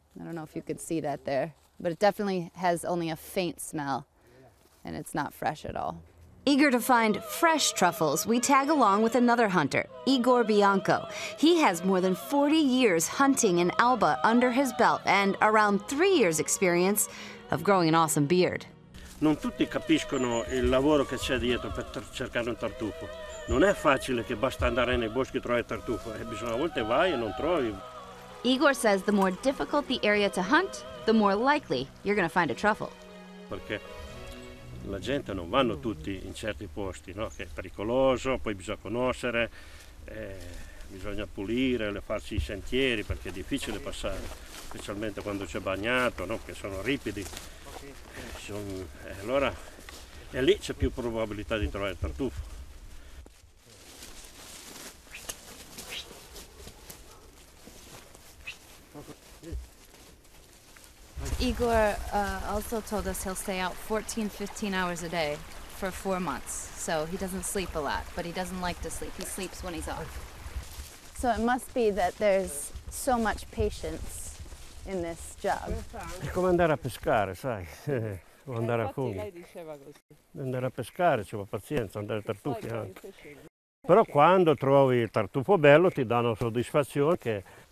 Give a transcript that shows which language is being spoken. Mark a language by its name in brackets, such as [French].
[English] I don't know if you could see that there, but it definitely has only a faint smell, and it's not fresh at all. Eager to find fresh truffles, we tag along with another hunter, Igor Bianco. He has more than 40 years hunting in Alba under his belt and around 3 years' experience of growing an awesome beard. [Italian] Non tutti capiscono il lavoro che c'è dietro per cercare un tartufo. Non è facile che basta andare nei boschi e trovare tartufo. E bisogna a volte vai e non trovi. [English] Igor says the more difficult the area to hunt, the more likely you're going to find a truffle. [Italian] Perché la gente non vanno tutti in certi posti, no? Che è pericoloso, poi bisogna conoscere, bisogna pulire, farci I sentieri perché è difficile passare, specialmente quando c'è bagnato, no? Che sono ripidi. Allora è lì c'è più probabilità di trovare il tartufo. [English] Igor also told us he'll stay out 14, 15 hours a day for 4 months. So he doesn't sleep a lot, but he doesn't like to sleep. He sleeps when he's off. So it must be that there's so much patience in this job. [Italian] È come andare a pescare, sai? O andare a funghi. Andare a pescare, ci vuole pazienza, andare a tartufi anche. Però quando trovi il tartufo bello ti danno soddisfazione che...